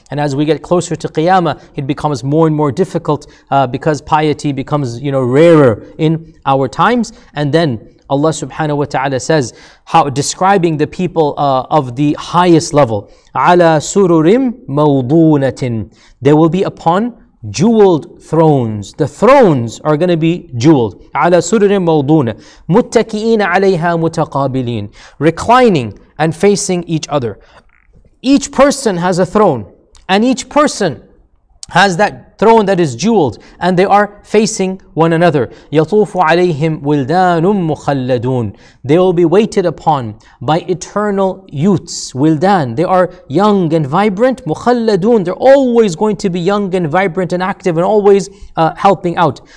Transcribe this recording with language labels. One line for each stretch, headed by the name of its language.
English: And as we get closer to Qiyamah, it becomes more and more difficult because piety becomes, you know, rarer in our times. And then Allah subhanahu wa ta'ala says, how describing the people of the highest level,
Arabic: عَلَى سُرُرٍ مَوْضُونَةٍ,
English: they will be upon jeweled thrones. The thrones are going to be jeweled.
Arabic: عَلَى سُرُرٍ مَوْضُونَ مُتَّكِئِينَ عَلَيْهَا مُتَقَابِلِينَ,
English: reclining and facing each other. Each person has a throne, and each person has that throne that is jeweled, and they are facing one another.
Arabic: يَطُوفُ عَلَيْهِمْ وِلْدَانٌ مُخَلَّدُونَ,
English: they will be waited upon by eternal youths. Wildan, they are young and vibrant. مُخَلَّدُونَ, they're always going to be young and vibrant and active and always helping out.